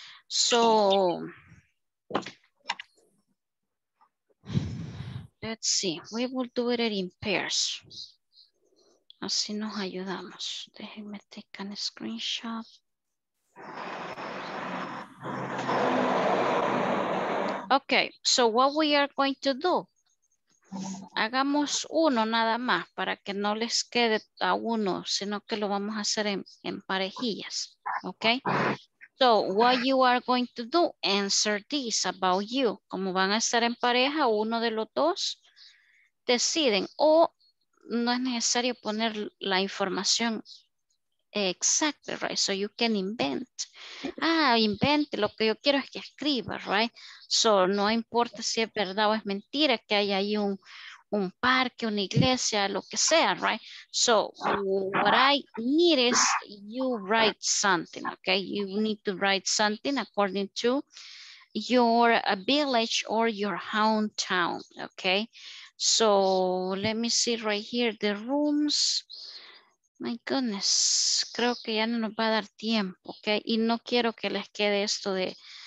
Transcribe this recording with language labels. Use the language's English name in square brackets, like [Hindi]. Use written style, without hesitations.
[English] So let's see, we will do it in pairs. [Spanish] Así nos ayudamos. Déjenme [English] take a screenshot. Okay, so what we are going to do? [Spanish] Hagamos uno nada más para que no les quede a uno, sino que lo vamos a hacer en parejillas. Okay? [English] So what you are going to do? Answer this about you. [Spanish] Como van a estar en pareja, uno de los dos deciden o no es necesario poner la información exacta, right? [English] So you can invent. [Spanish] Ah, invente. Lo que yo quiero es que escriba, right? So no importa si es verdad o es mentira, que haya ahí un parque, una iglesia, lo que sea, right? [English] So what I need is you write something, okay? You need to write something according to your village or your hometown, okay? So let me see right here the rooms. My goodness, [Spanish] creo que ya no nos va a dar tiempo, okay? Y no quiero que les quede esto de,